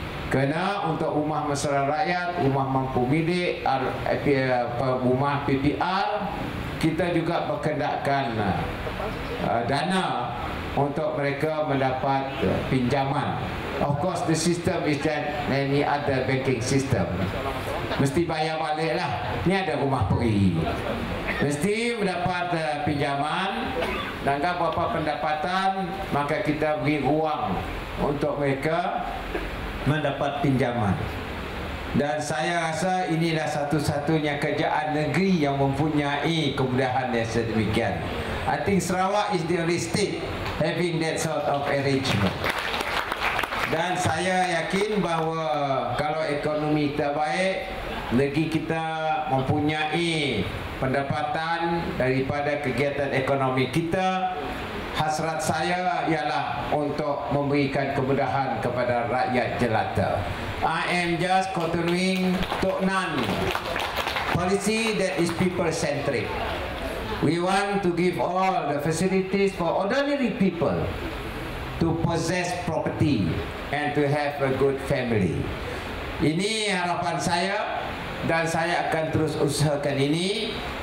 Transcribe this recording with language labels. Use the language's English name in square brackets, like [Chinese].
[Malay] Kena untuk rumah mesra rakyat, rumah mampu milik, rumah PPR, kita juga berkendakkan dana untuk mereka mendapat pinjaman. [English] Of course, the system is that many other banking system. [Malay] Mesti bayar balik lah. Ni ada rumah peri. Mesti mendapat pinjaman dan kalau berapa pendapatan, maka kita beri ruang untuk mereka mendapat pinjaman. Dan saya rasa inilah satu-satunya kerajaan negeri yang mempunyai kemudahan yang sedemikian. [English] I think Sarawak is the only state having that sort of arrangement. [Malay] Dan saya yakin bahawa kalau ekonomi kita baik, negeri kita mempunyai pendapatan daripada kegiatan ekonomi kita. Hasrat saya ialah untuk memberikan kemudahan kepada rakyat jelata. [English] I am just continuing to nan policy that is people-centric. We want to give all the facilities for ordinary people to possess property and to have a good family. [Malay] Ini harapan saya dan saya akan terus usahakan ini.